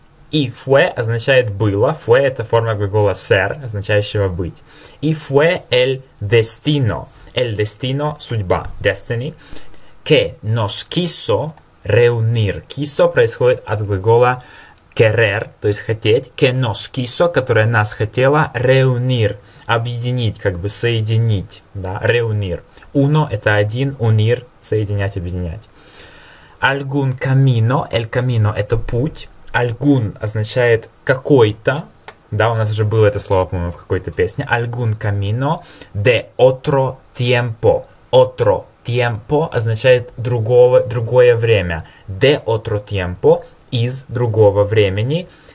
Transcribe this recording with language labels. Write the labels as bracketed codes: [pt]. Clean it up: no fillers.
[ru] И fue означает было. Fue это форма глагола ser, означающего быть. [es] И fue el destino, судьба, destiny. Que nos quiso reunir. [ru] Quiso происходит от глагола querer, то есть хотеть. [es] Que nos quiso, [ru] которая нас хотела, [es] reunir. [ru] Объединить, как бы соединить. Да? Reunir. Uno это один, unir, соединять, объединять. [es] Algún camino. El camino [ru] это путь. Algún означает какой-то. Да, у нас уже было это слово, по-моему, в какой-то песне. [es] Algún camino de otro tiempo. Otro. [ru] Tiempo означает другое время. [es] De otro tiempo, [ru] из другого времени.